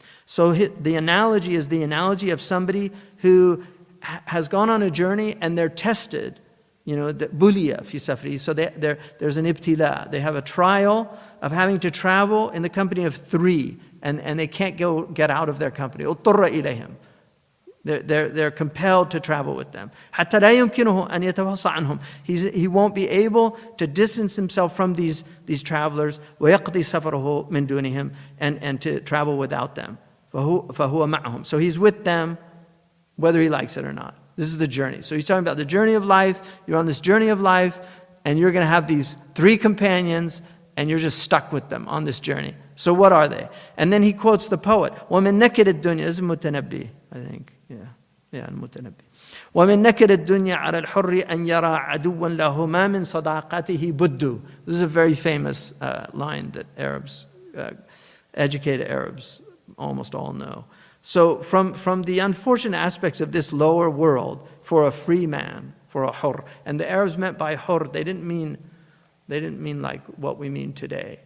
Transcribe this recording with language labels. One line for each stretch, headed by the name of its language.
English: So the analogy is the analogy of somebody who has gone on a journey and they're tested. You know, the buliya fi safri. So there's an ibtila. They have a trial of having to travel in the company of three. And they can't get out of their company.
Arabic: اضطر إليهم.
English: They're compelled to travel with them.
Arabic: حتى لا يمكنه أن يتفصى عنهم.
English: He won't be able to distance himself from these travelers.
Arabic: ويقضي سفره من دونهم
English: and to travel without them.
Arabic: فهو معهم.
English: So he's with them, whether he likes it or not. This is the journey. So he's talking about the journey of life. You're on this journey of life, and you're going to have these three companions, and you're just stuck with them on this journey. So what are they? And then he quotes the poet.
Arabic: ومن نكد الدنيا is متنبي,
English: I think.
Arabic: يا المتنبي ومن نكر الدنيا على الحر أن يرى عدوا لهما من صداقته بدو.
English: This is a very famous line that Arabs, educated Arabs, almost all know. So from the unfortunate aspects of this lower world for a free man, for a hur, and the Arabs meant by hur, they didn't mean like what we mean today.